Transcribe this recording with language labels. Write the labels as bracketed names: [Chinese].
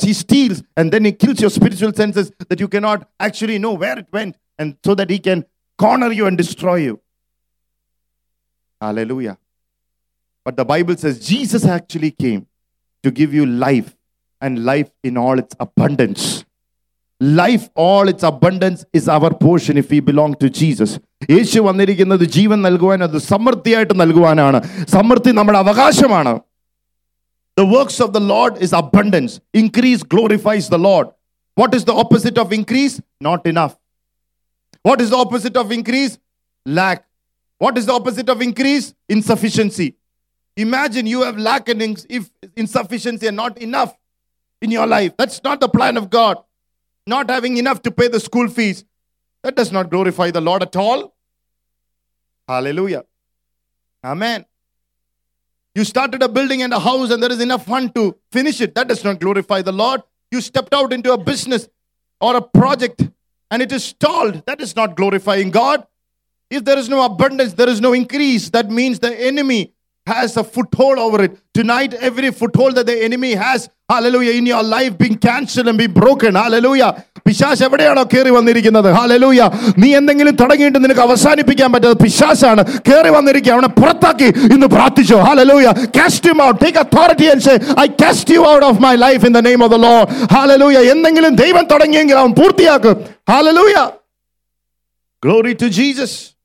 [English] He steals and then he kills your spiritual senses that you cannot actually know where it went, and so that he can corner you and destroy you. Hallelujah. But the Bible says Jesus actually came to give you life and life in all its abundance. Life, all its abundance is our portion if we belong to Jesus. [Malayalam] യേശു വന്നിരിക്കുന്നത് ജീവൻ നൽകുവാൻ, അത് സമൃദ്ധിയായിട്ട് നൽകുവാനാണ്. സമൃദ്ധി നമ്മുടെ അവകാശമാണ്. [English] The works of the Lord is abundance. Increase glorifies the Lord. What is the opposite of increase? Not enough. What is the opposite of increase? Lack. What is the opposite of increase? Insufficiency. Imagine you have lack and insufficiency and not enough in your life. That's not the plan of God. Not having enough to pay the school fees, that does not glorify the Lord at all. Hallelujah. Amen. You started a building and a house and there is enough fund to finish it. That does not glorify the Lord. You stepped out into a business or a project and it is stalled. That is not glorifying God. If there is no abundance, there is no increase, that means the enemy has a foothold over it. Tonight, every foothold that the enemy has, hallelujah, in your life being cancelled and be broken. Hallelujah. [Malayalam] പിശാസ് എവിടെയാണോ കയറി വന്നിരിക്കുന്നത്, hallelujah, നീ എന്തെങ്കിലും തുടങ്ങിയിട്ട് നിനക്ക് അവസാനിപ്പിക്കാൻ പറ്റാത്ത പിശാസാണ് കയറി വന്നിരിക്കുക. അവനെ പുറത്താക്കി ഇന്ന് പ്രാർത്ഥിച്ചോ. [English] Hallelujah, cast him out. Take authority and say, I cast you out of my life in the name of the Lord. [Malayalam] Hallelujah, എന്തെങ്കിലും ദൈവം തുടങ്ങിയെങ്കിൽ അവൻ പൂർത്തിയാക്കും. Hallelujah, [English] Glory to Jesus.